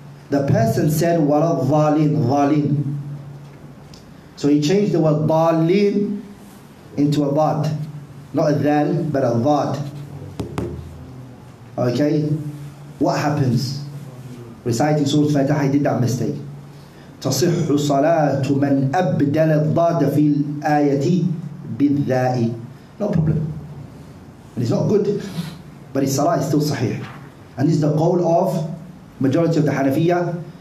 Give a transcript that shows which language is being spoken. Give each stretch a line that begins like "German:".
English: The person said
Arabic: ولد ضالين ضالين.
English: So he changed the word ضالين into a ضاد. Not a ذال but a ضاد. Okay? What happens? Reciting Surah Al-Fatiha, he did that mistake.
Arabic: تصح صلاة من أبدل الضاد في الآية بالذاء.
English: No problem. And it's not good, but his salah is still sahih. And this is the goal of majority of the Hanafiya.